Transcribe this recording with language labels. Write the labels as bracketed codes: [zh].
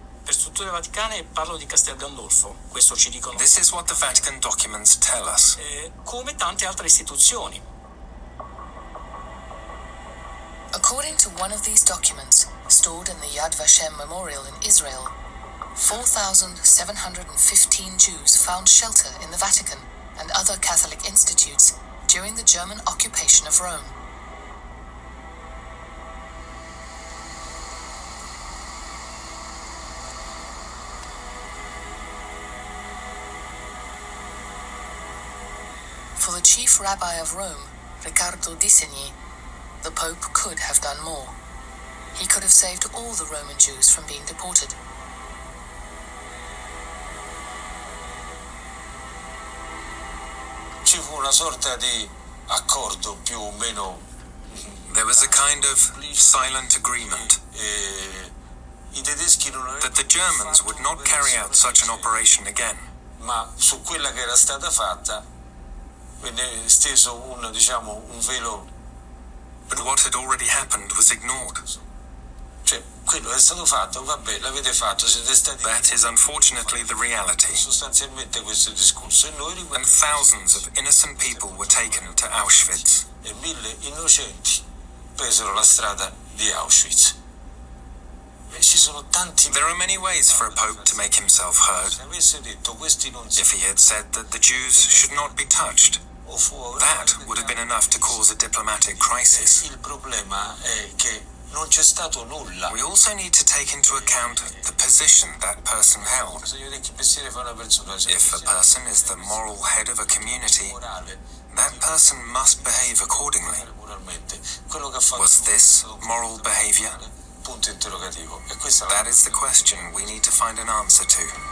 [it] Per strutture vaticane parlo di Castel Gandolfo, questo ci dicono. [en] This is what the Vatican documents tell us. [it] Come tante altre istituzioni. [en] According to one of these documents, stored in the Yad Vashem Memorial in Israel, 4,715 Jews found shelter in the Vatican and other Catholic institutes during the German occupation of Rome. For the chief rabbi of Rome, Riccardo Di Segni, the Pope could have done more. He could have saved all the Roman Jews from being deported. [it] Ci fu una sorta di accordo più o meno. [en] There was a kind of silent agreement that the Germans would not carry out such an operation again. [it] Ma su quella che era stata fatta. [en] But what had already happened was ignored. That is unfortunately the reality. And thousands of innocent people were taken to Auschwitz. [it] E mille innocenti presero la strada di Auschwitz. [en] There are many ways for a Pope to make himself heard. If he had said that the Jews should not be touched, that would have been enough to cause a diplomatic crisis. [it] Il problema è che non c'è stato nulla. [en] We also need to take into account the position that person held. If a person is the moral head of a community, that person must behave accordingly. Was this moral behavior? That is the question we need to find an answer to.